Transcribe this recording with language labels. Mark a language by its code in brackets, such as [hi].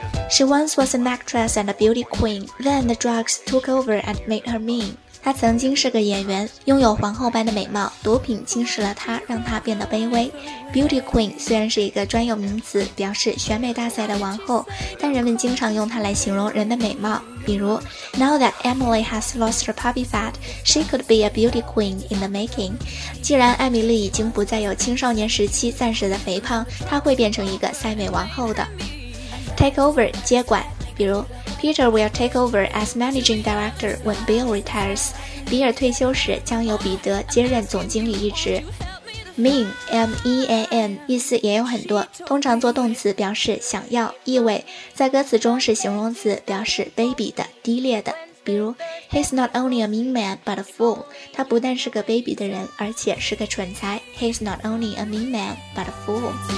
[en] She once was an actress and a beauty queen, then the drugs took over and made her mean. [zh] 她曾经是个演员，拥有皇后般的美貌，毒品侵蚀了她，让她变得卑微。 Beauty queen 虽然是一个专有名词，表示选美大赛的王后，但人们经常用它来形容人的美貌。比如 [en] Now that Emily has lost her puppy fat, she could be a beauty queen in the making. [zh] 既然艾米丽已经不再有青少年时期暂时的肥胖，她会变成一个赛美王后的。 [en] Take over, [zh] 接管，比如 [en] Peter will take over as managing director when Bill retires. [zh] 比尔退休时将由彼得接任总经理一职。 Mean, M-E-A-N, 意思也有很多，通常做动词表示想要、意味，在歌词中是形容词，表示卑鄙的、低劣的。比如 [en] He's not only a mean man, but a fool. [zh] 他不但是个卑鄙的人，而且是个蠢材。 [en] He's not only a mean man, but a fool.